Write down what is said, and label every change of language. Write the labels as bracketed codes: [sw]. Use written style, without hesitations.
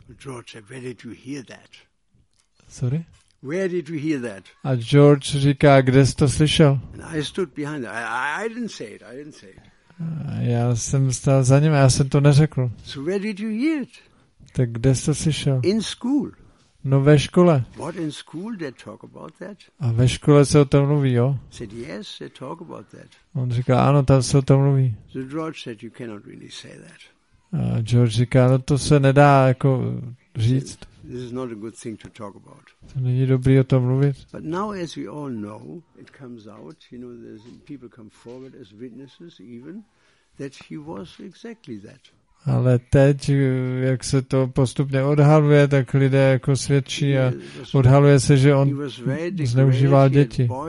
[en] George, where did you hear that? Sorry? Where did you hear that? [cs] A George říká, kde jsi to slyšel? [en] And I stood behind him. I didn't say it. [cs] Já jsem stál za ním a já jsem to neřekl. [en] So where did you hear it? [cs] Tak kde jsi to slyšel? [en] In school. [cs] No, ve škole. [en] What in school they talk about that? [cs] A ve škole se o tom mluví, jo? [en] Said yes, they talk about that. [cs] On říká, ano, tam se o tom mluví. [en] So George said you cannot really say that. [cs] A George říká, no to se nedá jako říct. [en] This is not a good thing to talk about. [cs] To není dobrý o tom mluvit. [en] But now, as we all know, it comes out. You know, people come forward as witnesses, even that he was exactly that. [cs] Ale teď, jak se to postupně odhaluje, tak lidé jako svědčí a odhaluje se, že on zneužíval děti.